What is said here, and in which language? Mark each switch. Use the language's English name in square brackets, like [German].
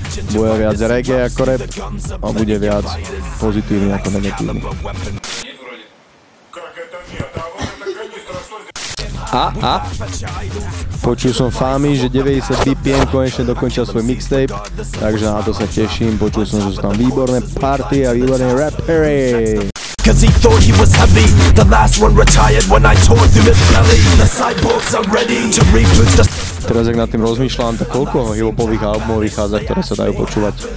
[Slovak] Bude viac reggae ako rap a bude viac pozitívny ako negatívny. A? Počul som Fámy, že 90 BPM konečne dokončil svoj mixtape, takže na to sa teším. Počul som, že sú tam výborné party a výborné rappery. [English] Cause he thought he was heavy. The last one retired when I tore through his belly. The cyborgs are ready to reboot the... [Slovak] Teraz jak nad tým rozmýšľam, tak koľko hip-hopových albumov vychádza, ktoré sa dajú počúvať.